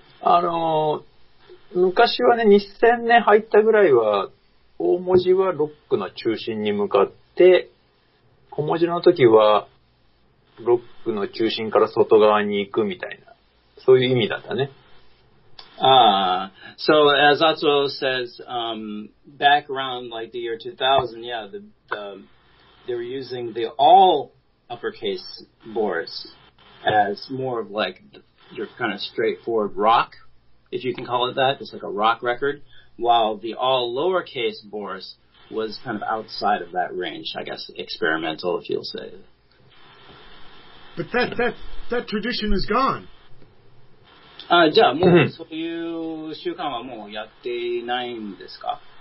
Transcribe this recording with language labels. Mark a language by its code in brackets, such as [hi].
[ja] あの昔はね、2000年入ったぐらいは大文字はロックの中心に向かって、で小文字の時はロックの中心から外側に行くみたいな、そういう意味だったね。 [en] So as Atsuo says, back around like the year 2000, yeah, they were using the all uppercase boards as more of like your kind of straightforward rock, if you can call it that, just like a rock record, while the all lowercase boards was kind of outside of that range, I guess, experimental, if you'll say. But that tradition is gone. [ja] じゃあ、もうそういう習慣はもうやっていないんですか？